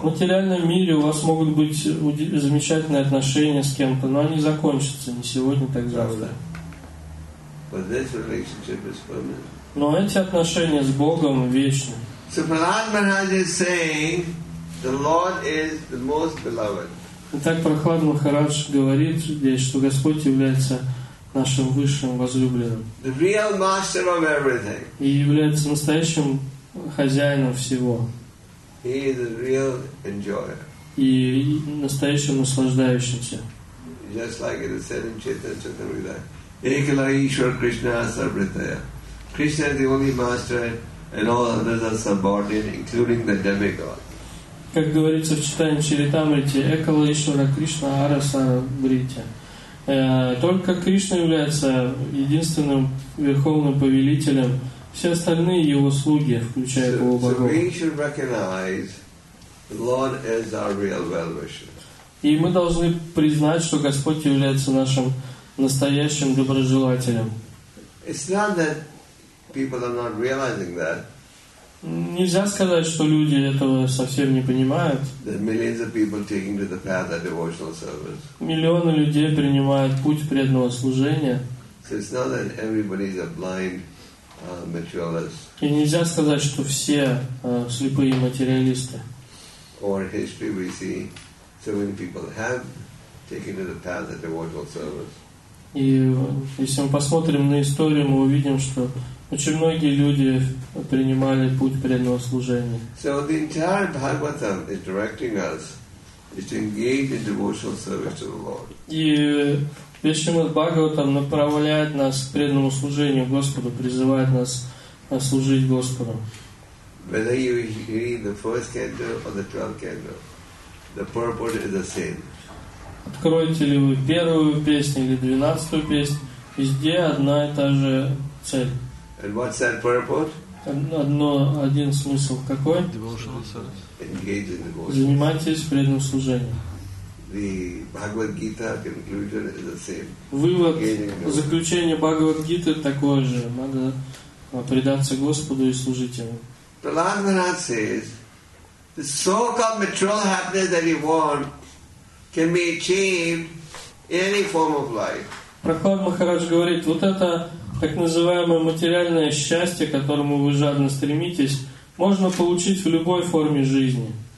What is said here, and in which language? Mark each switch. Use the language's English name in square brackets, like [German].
[Russian] В материальном мире у вас могут быть замечательные отношения с кем-то, но они закончатся не сегодня, так завтра. [English] But this relationship is permanent. [Russian] Но эти отношения с Богом вечны. [English] So Prahlad Maharaj is saying, the Lord is the most beloved. [Russian] Так Прохлад Махарадж говорит здесь, что Господь является нашим высшим возлюбленным. [English] The real master of everything. [Russian] И является настоящим хозяином всего. [English] He is the real enjoyer. [Russian] И настоящим наслаждающимся. [English] Just like it is said in Chaitanya Charitamrita, [Sanskrit] Ekala Ishwar Krishna Sarvritaya. [English] Krishna is the only master and all others are subordinate, including the demigod. [Russian] Как говорится в Читании Чаритамрите, [Sanskrit] Экала Ишвара Кришна Араса Брите. [Russian] Только Кришна является единственным верховным повелителем. Все остальные его слуги, включая его богов. [English] So we should recognize the Lord as our real well-wisher. [Russian] И мы должны признать, что Господь является нашим настоящим доброжелателем. [English] It's not that people are not realizing that. [Russian] Нельзя сказать, что люди этого совсем не понимают. Миллионы людей принимают путь преданного служения. [English] So it's not that everybody's a blind materialist. [Russian] И нельзя сказать, что все слепые материалисты. [English] Or in history we see so many people have taken to the path of devotional service. [Russian] И если мы посмотрим на историю, мы увидим, что очень многие люди принимали путь преданного служения. [English] So the entire Bhagavatam is directing us to engage in devotional service to the Lord. [Russian] И весь Шримад Бхагаватам направляет нас к преданному служению Господу, призывает нас служить Господу. [English] Whether you read the first canto or the 12th canto, the purport is the same. [Russian] Откройте ли вы первую песню или двенадцатую песню, везде одна и та же цель. [English] And what's that purport? [Russian] Один смысл какой? [English] Devotional service. Engage in devotion. [Russian] Занимайтесь преданным служением. [English] The Bhagavad Gita conclusion is the same. [Russian] Вывод, заключение Bhagavad Gita такое же. Надо предаться Господу и служить Ему. [English] Prahlad Maharaj says, the so-called material happiness that you want can be achieved in any form of life. [Russian] Prahlad Maharaj говорит, вот это так называемое материальное счастье, к которому вы жадно стремитесь, можно получить в любой форме жизни.